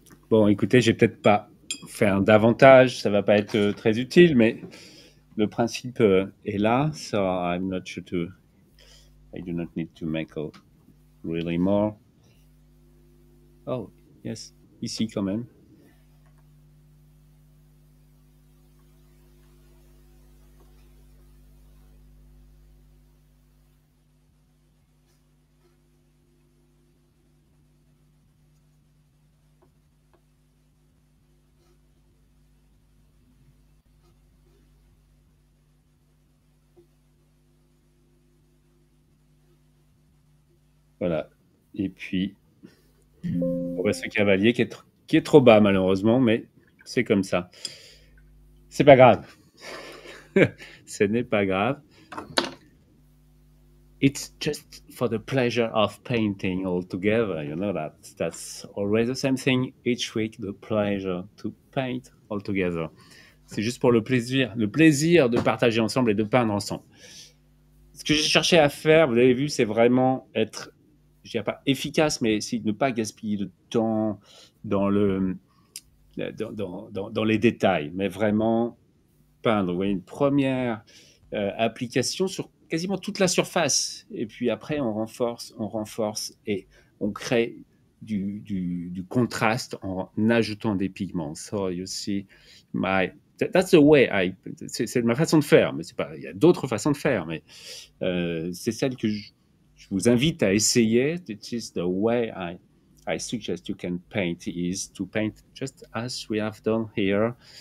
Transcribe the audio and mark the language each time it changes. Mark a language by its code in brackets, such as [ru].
[fr] Bon, écoutez, j'ai peut-être pas fait un davantage, ça va pas être très utile, mais le principe est là. [en] So I'm not sure to. I do not need to make a really more. Oh, yes, [fr] ici quand même. Voilà. Et puis, on voit ce cavalier qui est trop bas, malheureusement, mais c'est comme ça. C'est pas grave. Ce n'est pas grave. [en] It's just for the pleasure of painting all together. You know that. That's always the same thing each week, the pleasure to paint all together. [fr] C'est juste pour le plaisir de partager ensemble et de peindre ensemble. Ce que j'ai cherché à faire, vous l'avez vu, c'est vraiment être, je dirais pas efficace, mais c'est ne pas gaspiller de temps dans les détails, mais vraiment peindre. Vous voyez, une première application sur quasiment toute la surface. Et puis après, on renforce et on crée du contraste en ajoutant des pigments. [en] So you see, that's the way I... [fr] C'est ma façon de faire, mais c'est pas... Il y a d'autres façons de faire, mais c'est celle que je vous invite à essayer. [en] It is the way I suggest you can paint is to paint just as we have done here.